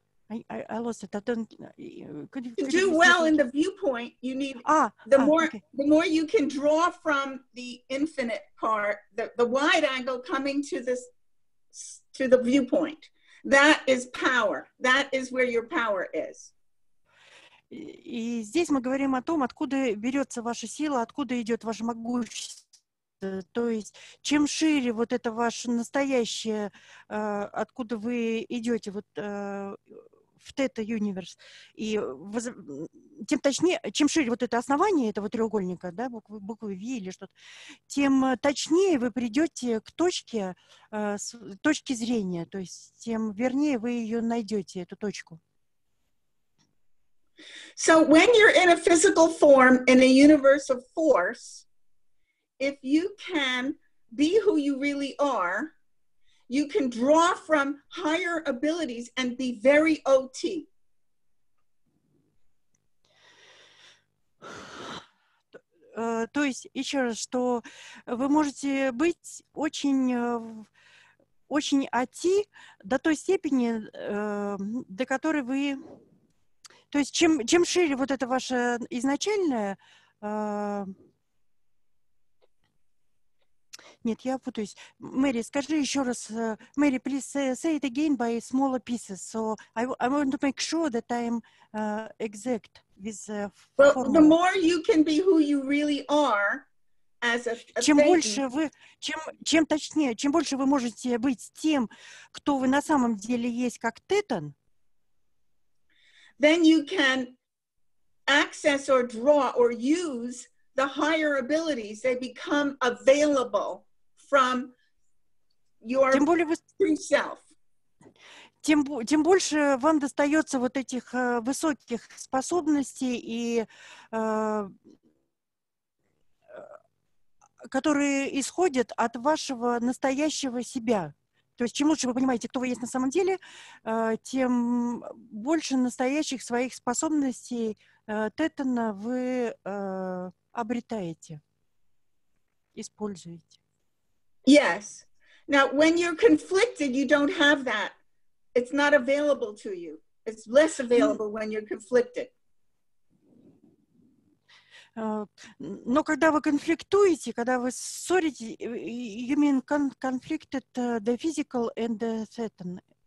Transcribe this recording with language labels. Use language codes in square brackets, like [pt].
[en] I lost it. I don't. Could do well in the viewpoint. You need the more you can draw from the infinite part, the wide angle coming to this to the viewpoint. That is power. That is where your power is. [ru] И здесь мы говорим о том, откуда берется ваша сила, откуда идет ваше могущество. То есть, чем шире вот это ваше настоящее, откуда вы идете, вот. В тета-юниверс, и тем точнее, чем шире вот это основание этого треугольника, да, буквы V или что-то, тем точнее вы придете к точке, с точки зрения, то есть тем вернее вы ее найдете, эту точку. [en] So when you're in a physical form, in a universe of force, if you can be who you really are, you can draw from higher abilities and be very OT. [ru] То есть, еще раз, что вы можете быть очень OT до той степени, до которой вы... То есть, чем шире вот это ваше изначальное... Нет, я путаюсь. Мэри, скажи еще раз. Мэри, [en] please say it again by smaller pieces. So I want to make sure that I am exact with the more you can be who you really are, [ru] Чем больше вы, чем точнее, чем больше вы можете быть тем, кто вы на самом деле есть, как Тетон, [en] then you can access or draw or use the higher abilities. They become available from your true self. [ru] Тем больше вам достается вот этих высоких способностей и которые исходят от вашего настоящего себя. То есть чем лучше вы понимаете, кто вы есть на самом деле, тем больше настоящих своих способностей Тетона вы обретаете, используете. [en] Yes. Now, when you're conflicted, you don't have that. It's not available to you. It's less available when you're conflicted. [ru] Но когда вы конфликтуете, когда вы ссоритесь, [en] you mean conflicted the physical and the threatened.